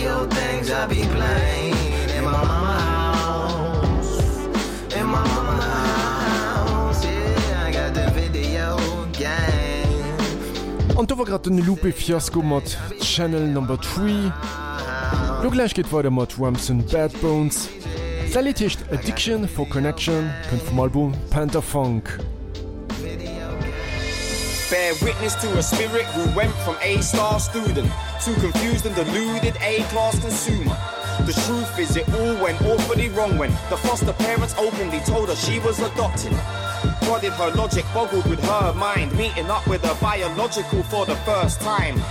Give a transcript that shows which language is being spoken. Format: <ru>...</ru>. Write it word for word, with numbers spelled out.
<en>Things I be playing in my mama house, in my mama house, yeah, I got the video game.</en> <de>Und da war gerade eine Lupe Fiasco mit Channel Number drei. Doch gleich geht weiter mit Ramps and Bad Bones. Das Lied heißt Addiction for Connection, kommt vom Album Panther Funk.</de> <en>Bear witness to a spirit who went from A-star student to confused and deluded A-class consumer. The truth is it all went awfully wrong when the foster parents openly told her she was adopted. Prodded her logic, boggled with her mind, meeting up with her biological for the first time.</en>